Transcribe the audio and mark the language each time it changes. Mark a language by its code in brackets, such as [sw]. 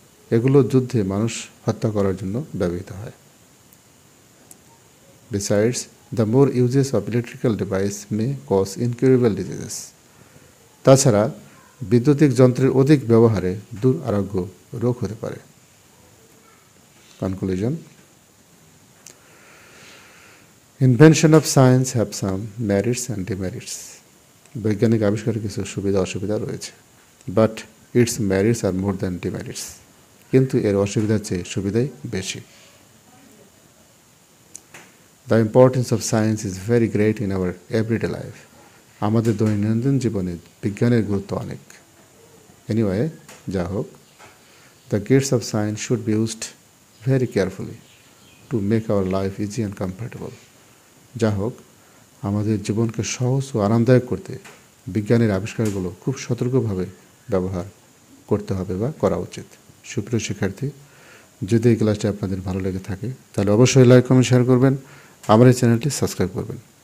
[bn] এগুলো যুদ্ধে মানুষ হত্যা করার জন্য ব্যবহৃত হয়। [en] Besides, the more uses of electrical device may cause incurable diseases. [bn] তাছাড়া বৈদ্যুতিক যন্ত্রের অধিক ব্যবহারে দুরারোগ্য রোগ হতে পারে। [en] Conclusion: Invention of science have some merits and demerits. [bn] বৈজ্ঞানিক আবিষ্কারের কিছু সুবিধা অসুবিধা রয়েছে। [en] But its merits are more than demerits. [bn] কিন্তু এর অসুবিধার চেয়ে সুবিধাই বেশি। [en] The importance of science is very great in our everyday life. [bn] আমাদের দৈনন্দিন জীবনে বিজ্ঞানের গুরুত্ব অনেক। [en] Anyway, [bn] যা হোক, [en] the gifts of science should be used very carefully to make our life easy and comfortable. [bn] যা হোক, আমাদের জীবনকে সহজ ও আরামদায়ক করতে বিজ্ঞানের আবিষ্কারগুলো খুব সতর্কভাবে ব্যবহার করতে হবে বা করা উচিত। সুপ্রিয় শিক্ষার্থী, যদি এই ক্লাসটি আপনাদের ভালো লেগে থাকে তাহলে অবশ্যই লাইক কমেন্ট শেয়ার করবেন, আমার এই চ্যানেলটি সাবস্ক্রাইব করবেন।